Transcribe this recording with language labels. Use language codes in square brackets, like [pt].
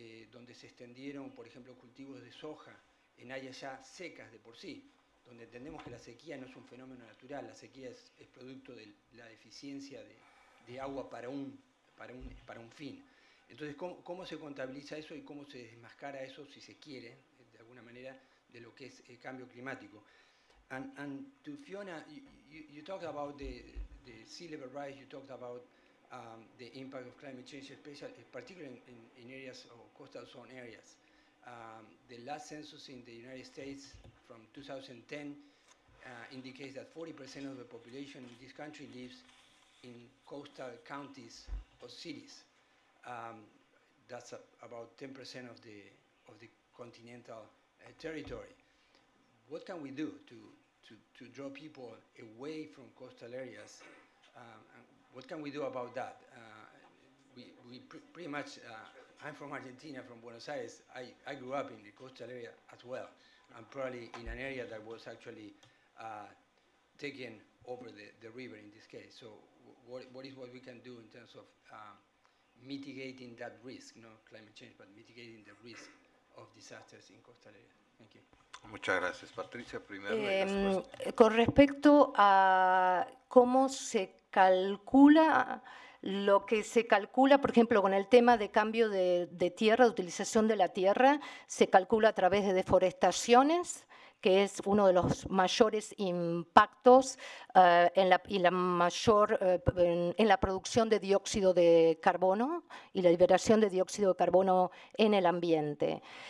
[es] donde se extendieron, por ejemplo, cultivos de soja en áreas ya secas de por sí, donde entendemos que la sequía no es un fenómeno natural, la sequía es producto de la deficiencia de agua para un fin. Entonces, ¿cómo se contabiliza eso y cómo se desmascara eso, si se quiere, de alguna manera, de lo que es el cambio climático? [en] And to Fiona, you talked about the sea level rise, you talked about the impact of climate change, especially, particularly in areas or coastal zone areas. The last census in the United States from 2010 indicates that 40% of the population in this country lives in coastal counties or cities. That's about 10% of the continental territory. What can we do to draw people away from coastal areas? What can we do about that? We pretty much I'm from Argentina, from Buenos Aires. I grew up in the coastal area as well, and probably in an area that was actually taken over the river in this case. So what we can do in terms of mitigating that risk, not climate change, but mitigating the risk of disasters in coastal areas? Thank you. [es] Muchas gracias, Patricia. Primero, con respecto a cómo se calcula lo que se calcula, por ejemplo, con el tema de cambio de tierra, de utilización de la tierra, se calcula a través de deforestaciones, que es uno de los mayores impactos en la producción de dióxido de carbono y la liberación de dióxido de carbono en el ambiente.